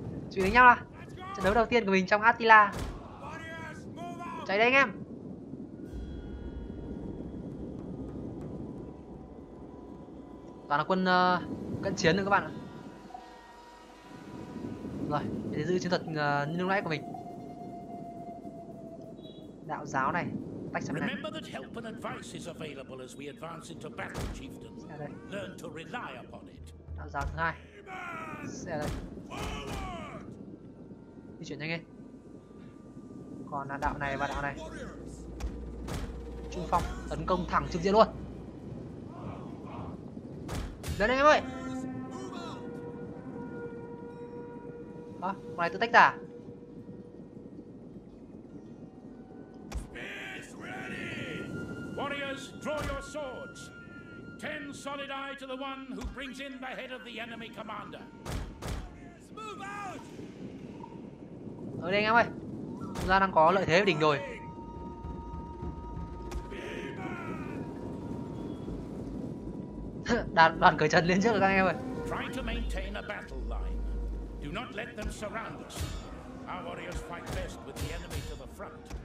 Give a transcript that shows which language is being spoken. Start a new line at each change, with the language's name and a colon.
Vietnamese: Chuyển đánh nhau à. Trận đấu đầu tiên của mình trong Attila. Chạy đây anh em. Toàn là quân cận chiến nữa các bạn ạ. Rồi, để giữ chiến thuật như lúc nãy của mình. Đạo giáo này.
English: Remember that help and advice is available as we advance into battle, chieftain. Learn to rely upon it.
Vietnamese: Đạo giáo thứ hai. Xe đây. Di chuyển nhanh lên. Còn là đạo này và đạo này. Trung phong tấn công thẳng trực diện luôn. Lên đây em ơi. À, con này tự tách ra.
English: Warriors, draw your swords. 10 solid eye to the one who brings in the head of the enemy commander.
Vietnamese: Ở đây anh em ơi. Chúng ta đang có lợi thế ở đỉnh rồi. đoàn cởi trần lên trước rồi anh em ơi.
English: Try to maintain a battle line. Do not let them surround us. Our warriors fight best with the enemy to the front.